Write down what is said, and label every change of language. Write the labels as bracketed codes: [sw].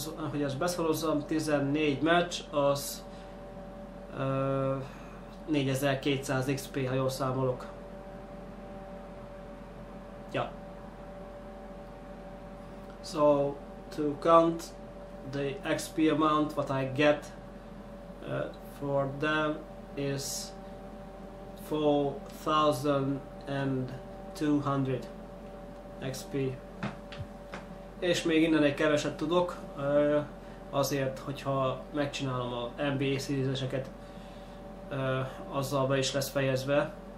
[hu] Hogy ezt beszorozzam, 14 meccs, az 4200 XP, ha jól számolok. Ja. [en] So, to count the XP amount, what I get for them is 4200 XP. [hu] És még innen egy keveset tudok, azért, hogyha megcsinálom a NBA szízeseket, azzal be is lesz fejezve.